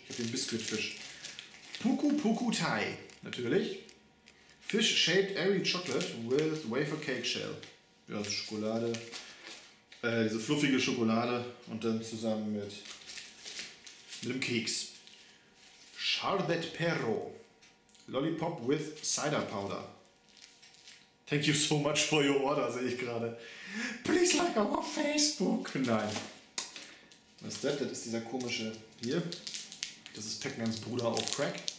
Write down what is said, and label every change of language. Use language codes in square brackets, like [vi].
[de] Ich hab den Biscuitfisch. Puku Puku Thai. [en] Natürlich. Fish Shaped Airy Chocolate with Wafer Cake Shell. [de] Ja, also Schokolade. Diese fluffige Schokolade und dann zusammen mit einem Keks. Charlotte Perro. [en] Lollipop with Cider Powder. Thank you so much for your order, [de] sehe ich gerade. [en] Please like our Facebook. [de] Nein. Was ist das? Das ist dieser komische hier. Das ist Pac-Mans Bruder auf Crack.